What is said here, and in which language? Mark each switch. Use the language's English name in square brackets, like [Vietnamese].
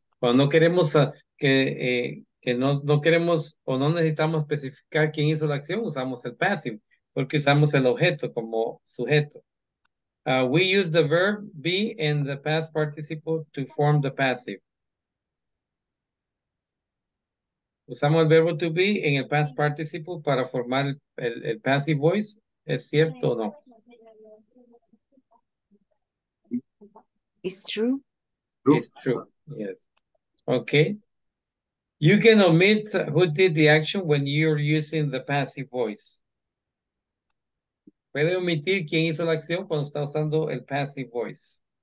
[Spanish] Cuando no queremos que no queremos o no necesitamos especificar quién hizo la acción, usamos el passive, porque usamos el objeto como sujeto. [English] We use the verb be in the past participle to form the passive. [Spanish] Usamos el verbo to be en el past participle para formar el passive voice. ¿Es cierto o no? [English] It's true. It's true, yes. Okay. You can omit who did the action when you're using the passive voice. [Spanish] ¿Puede omitir quién hizo la acción cuando está usando el passive voice?